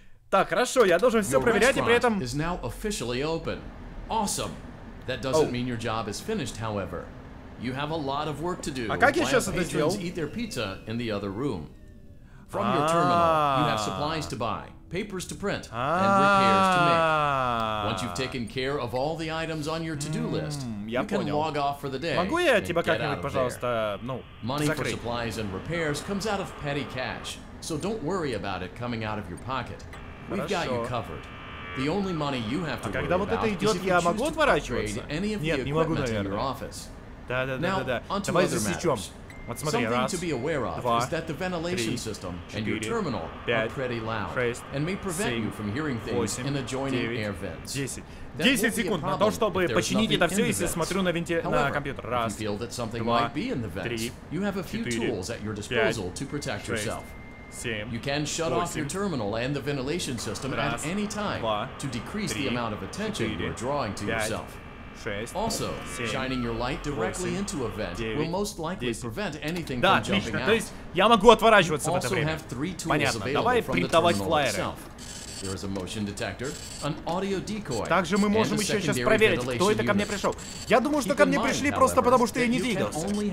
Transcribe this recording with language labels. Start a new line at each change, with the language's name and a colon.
Russian: Так, хорошо, я должен все проверять, и при этом...
English: Is now officially open. Awesome. That doesn't mean your job is finished, however. You have a lot of work to do.
Russian: А как я сейчас это сделал?
English: Eat their pizza in the other room. From your terminal, you have supplies to buy. Papers to print and repairs to make. Once you've taken care of all the items on your to-do list, you can log off for the day.
Russian: Могу я тебя как-нибудь, пожалуйста, ну, закрыть?
English: Money for supplies and repairs comes out of petty cash, so don't worry about it coming out of your pocket. We've got you covered. The only money you have to worry about is if you choose to upgrade any of the equipment in your office. Now, onto other matters.
Russian: Вот смотри,
English: something to be aware of is that the ventilation system and your terminal are pretty loud and may prevent you from hearing things in adjoining air vents.
Russian: 10 секунд на то, чтобы починить это все, если смотрю на компьютер. Раз, два, три, четыре, пять, шесть.
English: You can shut off your terminal and the ventilation system at any time to decrease the amount of attention you're drawing to yourself. Also, shining your light directly into a vent will most likely prevent anything from jumping out.
Russian: Да, отлично. То есть я могу отворачиваться в это время. Понятно. Давай принтовать флайеры.
English: There is a motion detector, an audio decoy.
Russian: Также мы можем еще сейчас проверить, кто это ко мне пришел. Я думаю, что ко мне пришли просто потому, что я не двигался.